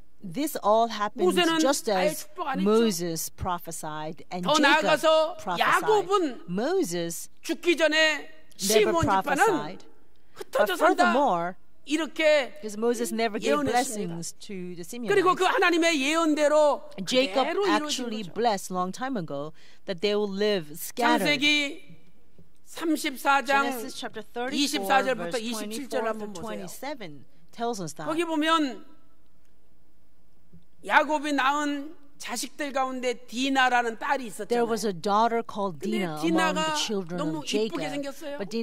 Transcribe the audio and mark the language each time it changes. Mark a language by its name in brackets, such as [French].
[English] This all happened just as Moses prophesied and Jacob prophesied. [Korean] 더 나아가서 야곱은 [English] Moses [Korean] 죽기 전에 시몬 지파는 흩어져 산다. 이렇게 [English] Moses never gave blessings to the Simeonites. [Korean] 그리고 그 하나님의 예언대로 [English] Jacob actually blessed long time ago that they will live scattered. [Korean] 34장 24절부터 27절 한번 보세요. 거기 보면 야곱이 낳은 자식들 가운데 디나라는 딸이 있었잖아요. 근데 디나가 너무 이쁘게 생겼어요.